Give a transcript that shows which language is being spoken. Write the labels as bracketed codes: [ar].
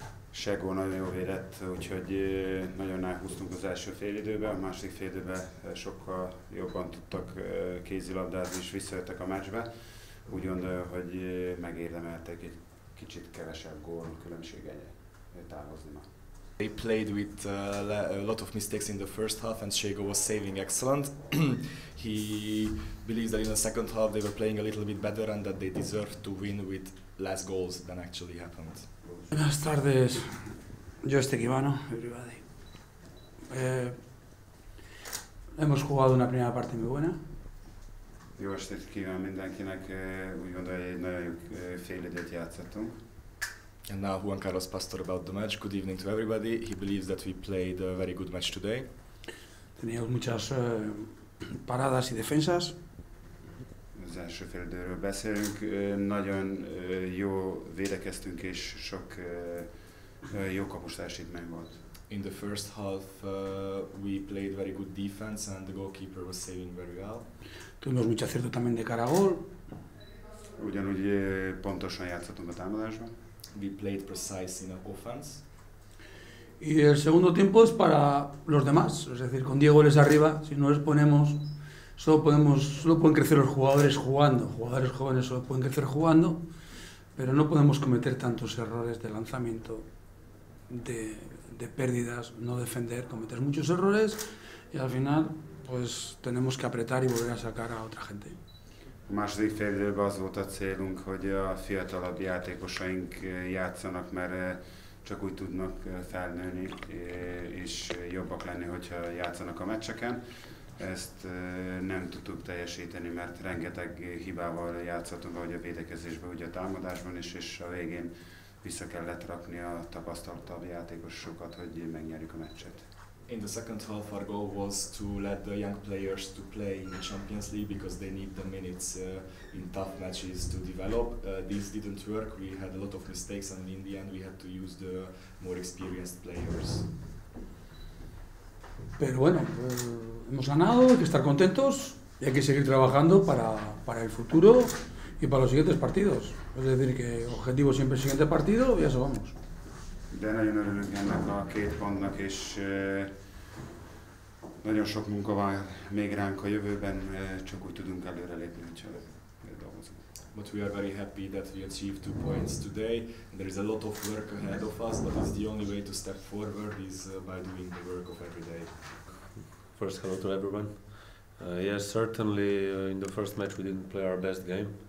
[hu] Segó nagyon jó védett, úgyhogy nagyon elhúztunk az első fél időben. A második fél időben sokkal jobban tudtak kézilabdázni és visszajöttek a meccsbe. Úgy gondolom, hogy megérdemeltek egy kicsit kevesebb gól különbsége távozni ma. [en] They played with a lot of mistakes in the first half and Shego was saving excellent. He believes that in the second half they were playing a little bit better and that they deserved to win with less goals than actually happened. [es] Buenas tardes, yo estoy Kibano, everybody. Hemos jugado una primera parte muy buena. [hu] Jó estét kíván mindenkinek, úgy gondolom, hogy egy nagyon jó fél időt játszottunk. [en] And now Juan Carlos Pastor about the match. Good evening to everybody. He believes that we played a very good match today. [es] Teníamos muchas paradas y defensas. [hu] Az első fél időről beszélünk. Nagyon jó védekeztünk és sok jó kapus teljesítmény volt. [en] In the first half we played very good defense and the goalkeeper was saving very well. [es] Tuvimos mucho acierto también de cara a gol. [hu] Ugyanúgy pontosan játszottunk a támadásban. [en] We played precise in offense. [es] Y el segundo tiempo es para los demás, es decir, con 10 goles arriba, si no les ponemos, solo pueden crecer los jugadores jugando, jugadores jóvenes solo pueden crecer jugando, pero no podemos cometer tantos errores de lanzamiento, de pérdidas, no defender, cometer muchos errores y al final pues tenemos que apretar y volver a sacar a otra gente. [hu] A második fél időben az volt a célunk, hogy a fiatalabb játékosaink játszanak, mert csak úgy tudnak felnőni és jobbak lenni, hogyha játszanak a meccseken. Ezt nem tudtuk teljesíteni, mert rengeteg hibával játszottunk, ahogy a védekezésben, úgy a támadásban is, és a végén vissza kellett rakni a tapasztaltabb játékosokat, hogy megnyerjük a meccset. [en] In the second half, our goal was to let the young players to play in the Champions League because they need the minutes in tough matches to develop. This didn't work. We had a lot of mistakes, and in the end, we had to use the more experienced players. [es] Pero bueno, hemos ganado. Hay que estar contentos. Y hay que seguir trabajando para el futuro y para los siguientes partidos. Es decir, que objetivo siempre el siguiente partido y eso vamos. [hu] De nagyon örülünk ennek a két pontnak, és nagyon sok munka van még ránk a jövőben, csak úgy tudunk előre lépni, hogyha dolgozunk. [en] But we are very happy that we achieved 2 points today. There is a lot of work ahead of us, but it's the only way to step forward is by doing the work of every day. First, hello to everyone. Yes, certainly in the first match we didn't play our best game.